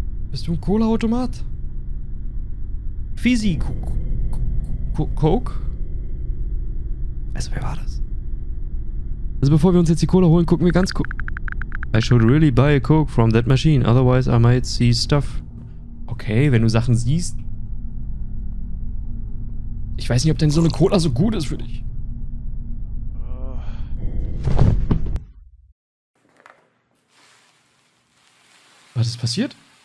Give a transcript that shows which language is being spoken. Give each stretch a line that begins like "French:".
German: Bist du ein Cola-Automat? Fizzy Coke? Also, wer war das? Also, bevor wir uns jetzt die Cola holen, gucken wir ganz kurz.
English: I should really buy a Coke from that machine, otherwise I might see stuff.
German: Okay, wenn du Sachen siehst. Ich weiß nicht, ob denn so eine Cola so gut ist für dich. was ist passiert?